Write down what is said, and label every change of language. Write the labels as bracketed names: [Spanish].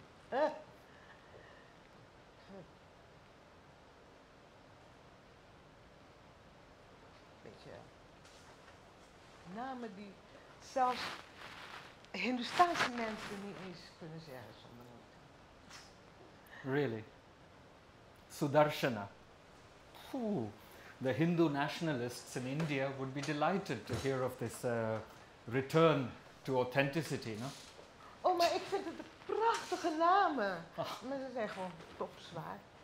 [Dutch] Beetje namen die zelfs Hindoestaanse mensen niet eens kunnen zeggen zonder moeite. [English] Really? Sudarshana. Oeh. The Hindu nationalists in India would be delighted to hear of this return to authenticity, no? [Dutch] Oh, maar ik vind het een prachtige namen. Maar ze zijn gewoon topzwaar.